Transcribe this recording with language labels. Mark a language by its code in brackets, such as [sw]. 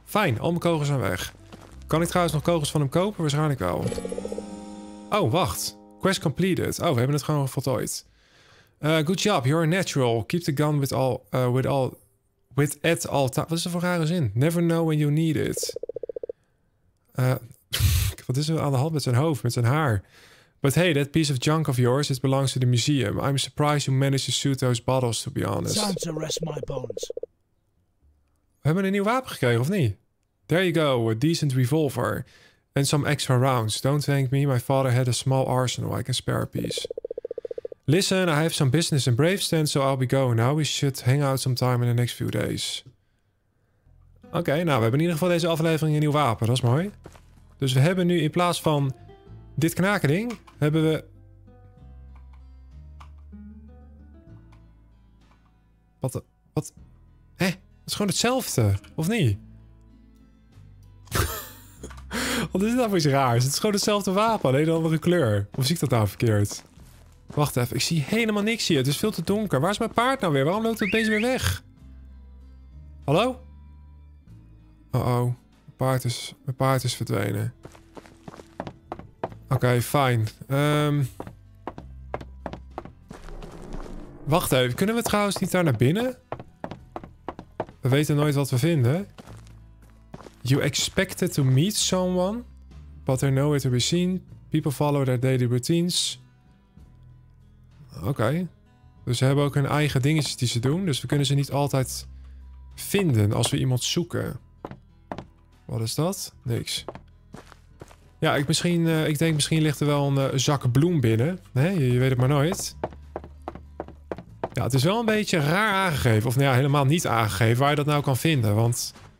[nl] Fijn, al mijn kogels zijn weg. Kan ik trouwens nog kogels van hem kopen? Waarschijnlijk wel. Oh, wacht. [en] Quest completed. [nl] Oh, we hebben het gewoon voltooid. [en] Good job, you're a natural. Keep the gun with at all time. [nl] Wat is er voor rare zin? [en] Never know when you need it. [nl] Wat is er aan de hand met zijn hoofd, met zijn haar? [en] But hey, that piece of junk of yours, it belongs to the museum. I'm surprised you managed to shoot those bottles, to be honest. Time to rest my bones. [nl] We hebben een nieuw wapen gekregen, of niet? [en] There you go, a decent revolver. And some extra rounds. Don't thank me, my father had a small arsenal. I can spare a piece. Listen, I have some business in Bravestand, so I'll be going now. We should hang out sometime in the next few days. [nl] Oké, nou, we hebben in ieder geval deze aflevering een nieuw wapen. Dat is mooi. Dus we hebben nu in plaats van dit knakerding, hebben we... Wat? Wat? Hé, het is gewoon hetzelfde, of niet? Wat is dit nou voor iets raars? Het is gewoon hetzelfde wapen, alleen een andere kleur. Of zie ik dat nou verkeerd? Wacht even, ik zie helemaal niks hier. Het is veel te donker. Waar is mijn paard nou weer? Waarom loopt het beest weer weg? Hallo? Mijn paard is verdwenen. Oké, fijn. Wacht even, kunnen we trouwens niet daar naar binnen? We weten nooit wat we vinden. [en] You expected to meet someone, but they're nowhere to be seen. People follow their daily routines. [nl] Oké. Dus ze hebben ook hun eigen dingetjes die ze doen. Dus we kunnen ze niet altijd vinden als we iemand zoeken. Wat is dat? Niks. Ja, ik denk misschien ligt er wel een zak bloem binnen. Nee, je weet het maar nooit. Ja, het is wel een beetje raar aangegeven. Of nou ja, helemaal niet aangegeven waar je dat nou kan vinden. Want...